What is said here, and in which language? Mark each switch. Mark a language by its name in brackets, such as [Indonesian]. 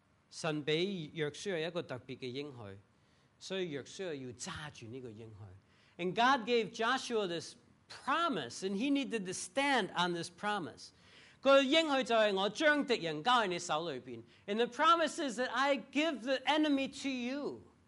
[Chinese] 神给约书亚一个特别的应许, 所以约书亚要抓住这个应许。 [English] And God gave Joshua this promise, and he needed to stand on this promise. [Chinese] 他的应许就是我将敌人交在你手里边, [English] and the promise is that I give the enemy to you.